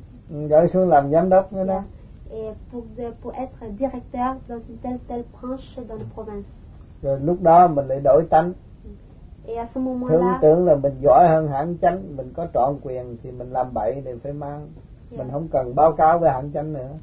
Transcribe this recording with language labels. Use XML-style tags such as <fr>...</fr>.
<vi>Gửi xuống làm giám đốc nữa đó.</vi> <fr>Et pour être directeur dans une telle branche dans la province.</fr> <vi>Rồi lúc đó mình lại đổi tánh.</vi> <fr>Et à ce moment-là,</fr> <vi>thường tưởng là mình giỏi hơn hãng chánh, mình có trọn quyền thì mình làm bậy thì phải mang. Yeah. Mình không cần báo cáo với hãng chánh nữa.</vi>